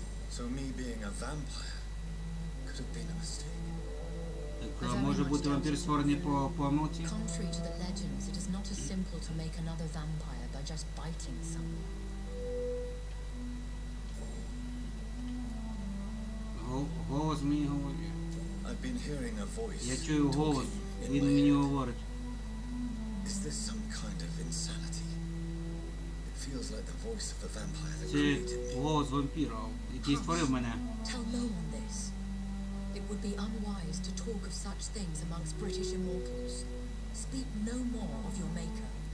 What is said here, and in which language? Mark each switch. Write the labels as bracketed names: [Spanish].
[English] So me being a vampire could have been a mistake. [Ukrainian] Так, може бути вампір створений по моті? [English] Contrary to the legends, it is not as simple to make another vampire by just biting someone. [Ukrainian] Голос мені говорить. [English] I've been hearing a voice. [Ukrainian] Я чую голос, він мені говорить. [English] Is this some kind of insanity? It feels like the voice of the vampire that created me. Tell no one this. It would be unwise to talk of such things amongst British immortals. Speak no more of your maker.